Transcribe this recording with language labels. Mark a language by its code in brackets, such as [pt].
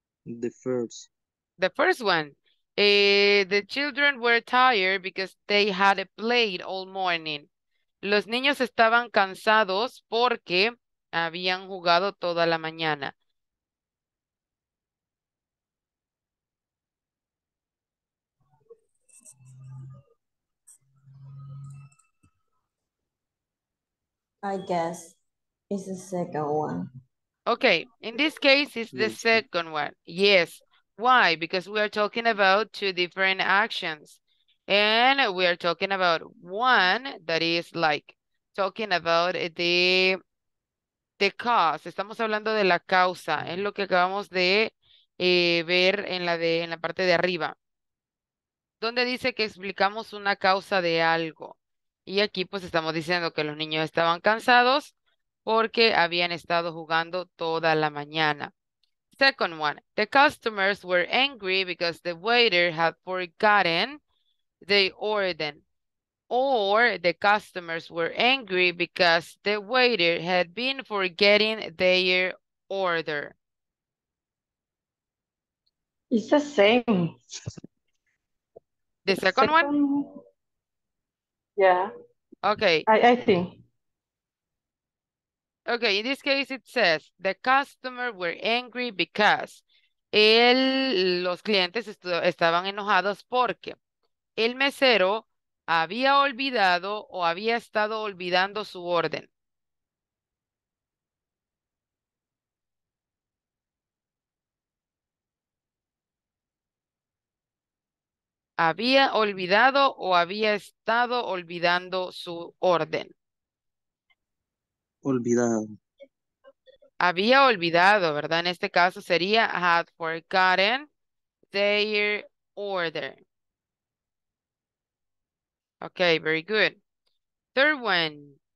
[en] The first one, the children were tired because they had played all morning. [es] Los niños estaban cansados porque habían jugado toda la mañana. [en] I guess it's the second one. Okay, in this case, it's the second one. Yes. Why? Because we are talking about two different actions. And we are talking about one that is like talking about the cause. [es] Estamos hablando de la causa. Es lo que acabamos de ver en la parte de arriba. Donde dice que explicamos una causa de algo. Y aquí pues estamos diciendo que los niños estaban cansados porque habían estado jugando toda la mañana. [en] Second one, the customers were angry because the waiter had forgotten the order. Or the customers were angry because the waiter had been forgetting their order. It's the same. The second one? Yeah. Okay. I think. Okay, in this case it says the customer were angry because [es] el, los clientes estaban enojados porque el mesero había olvidado o había estado olvidando su orden. Había olvidado o había estado olvidando su orden. Olvidado. Había olvidado, ¿verdad? En este caso sería [en] had forgotten their order. Okay, very good. Third one.